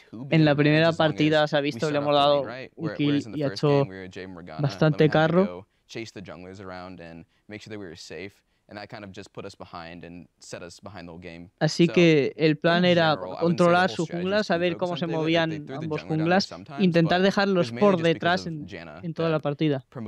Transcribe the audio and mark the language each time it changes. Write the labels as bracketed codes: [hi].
[es] En la primera partida se ha visto que le hemos dado un kill y ha hecho bastante carro. [en] Chase the junglers around and make sure that we were safe, and that kind of just put us behind and set us behind the whole game. [es] Así que el plan era controlar su jungla, saber cómo se movían ambos junglas, intentar dejarlos por detrás en toda la partida.